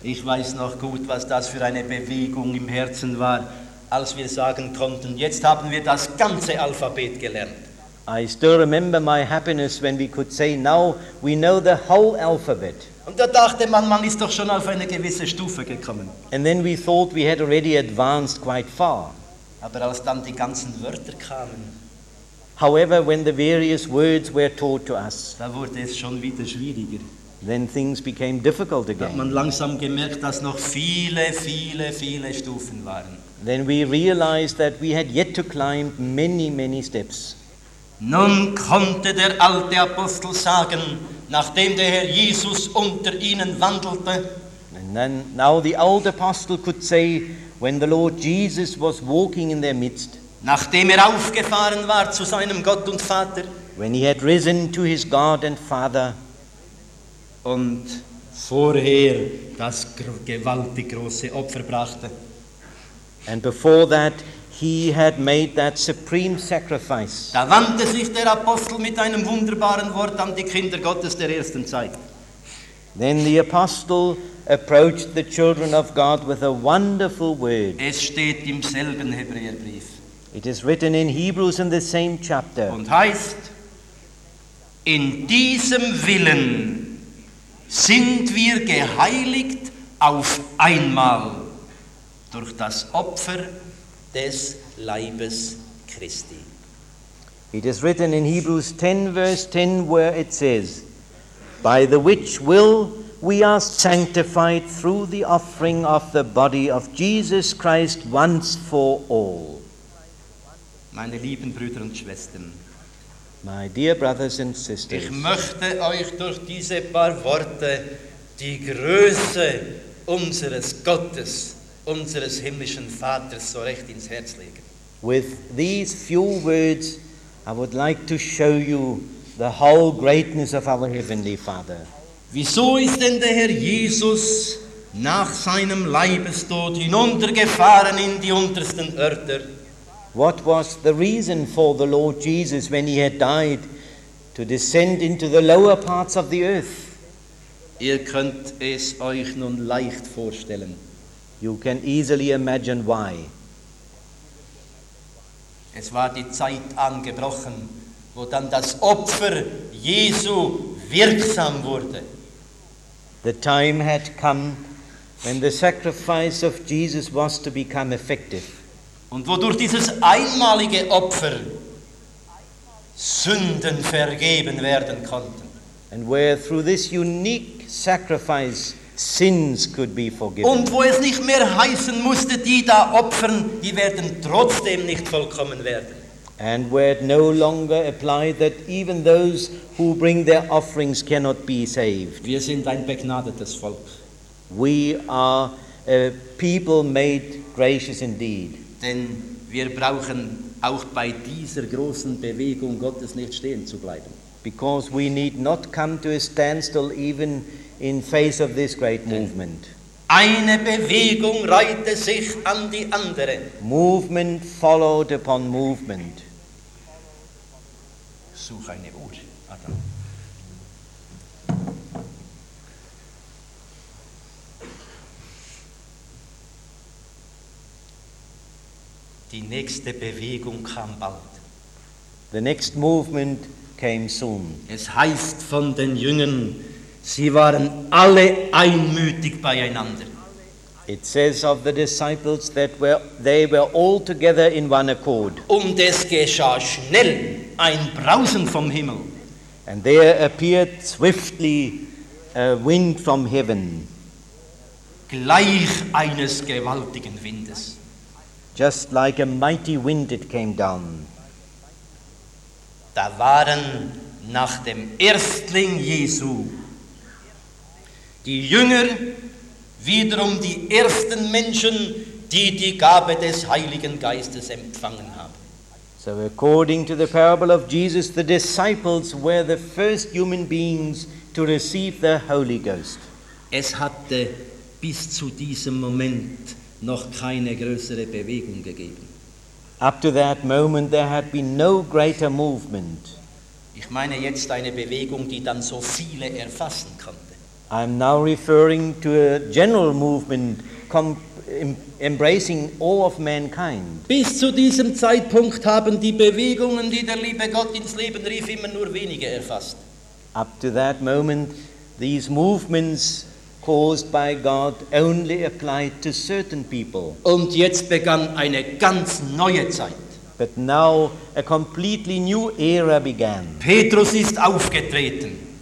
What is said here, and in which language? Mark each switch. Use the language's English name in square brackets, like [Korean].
[German] Ich weiß noch gut, was das für eine Bewegung im Herzen war, als wir sagen konnten, jetzt haben wir das ganze Alphabet gelernt. [English] I still remember my happiness when we could say, now we know the whole alphabet. [German] Und da dachte man, man ist doch schon auf eine gewisse Stufe gekommen. [English] And then we thought we had already advanced quite far. [German] Aber als dann die ganzen Wörter kamen, [English] however, when the various words were taught to us, [German] da wurde es schon wieder schwieriger. [English] Then things became difficult again. [German] Hat man langsam gemerkt, dass noch viele, viele, viele Stufen waren. [English] Then we realized that we had yet to climb many, many steps. [German] Nun konnte der alte Apostel sagen, nachdem der Herr Jesus unter ihnen wandelte. [English] And then, now the old apostle could say, when the Lord Jesus was walking in their midst, [German] nachdem er aufgefahren war zu seinem Gott und Vater, [English] when he had risen to his God and Father, [German] und vorher das gewaltig große Opfer brachte, [English] and before that he had made that supreme sacrifice, [German] da wandte sich der Apostel mit einem wunderbaren Wort an die Kinder Gottes der ersten Zeit. [English] Then the apostle approached the children of God with a wonderful word. [German] Es steht im selben Hebräerbrief. [English] It is written in Hebrews in the same chapter. [German] Und heißt, in diesem Willen sind wir geheiligt auf einmal durch das Opfer des Leibes Christi. [English] It is written in Hebrews 10, verse 10, where it says, by the which will we are sanctified through the offering of the body of Jesus Christ once for all. [German] Meine lieben Brüder und Schwestern, [English] my dear brothers and sisters, [German] ich möchte euch durch diese paar Worte die Größe unseres Gottes, unseres himmlischen Vaters so recht ins Herz legen. [English] With these few words, I would like to show you the whole greatness of our Heavenly Father. [German] Wieso ist denn der Herr Jesus nach seinem Leibestod hinuntergefahren in die untersten Örter? [English] What was the reason for the Lord Jesus when he had died to descend into the lower parts of the earth? [German] Ihr könnt es euch nun leicht vorstellen. [English] You can easily imagine why. [German] Es war die Zeit angebrochen, wo dann das Opfer Jesu wirksam wurde. [English] The time had come when the sacrifice of Jesus was to become effective. [German] Und wodurch dieses einmalige Opfer Sünden vergeben werden konnten. [English] And where through this unique sacrifice sins could be forgiven. [German] Und wo es nicht mehr heißen musste, die da opfern, die werden trotzdem nicht vollkommen werden. [English] And where it no longer applied that even those who bring their offerings cannot be saved. [German] Wir sind ein begnadetes Volk. [English] We are a people made gracious indeed. [German] Denn wir brauchen auch bei dieser großen Bewegung Gottes nicht stehen zu bleiben. [English] Because we need not come to a standstill even in face of this great movement. [German] Eine Bewegung reihte sich an die andere. [English] Movement followed upon movement. [German] Such eine Uhr. Die nächste Bewegung kam bald. [English] The next movement came soon. [German] Es heißt von den Jüngern, sie waren alle einmütig beieinander. [English] It says of the disciples that they were all together in one accord. [German] Und es geschah schnell ein Brausen vom Himmel. [English] And there appeared swiftly a wind from heaven. [German] Gleich eines gewaltigen Windes. [English] Just like a mighty wind it came down. [German] Da waren nach dem Erstling Jesu die Jünger wiederum die ersten Menschen, die die Gabe des Heiligen Geistes empfangen haben. [English] So according to the parable of Jesus, the disciples were the first human beings to receive the Holy Ghost. [German] Es hatte bis zu diesem Moment noch keine größere Bewegung gegeben. [English] Up to that moment there had been no greater movement. [German] Ich meine jetzt eine Bewegung, die dann so viele erfassen konnte. [English] I'm now referring to a general movement embracing all of mankind. [German] Bis zu diesem Zeitpunkt haben die Bewegungen, die der liebe Gott ins Leben rief, immer nur wenige erfasst. [English] Up to that moment these movements caused by God only applied to certain people. [German] Und jetzt begann eine ganz neue Zeit. [English] But now a completely new era began. [German] Petrus ist aufgetreten.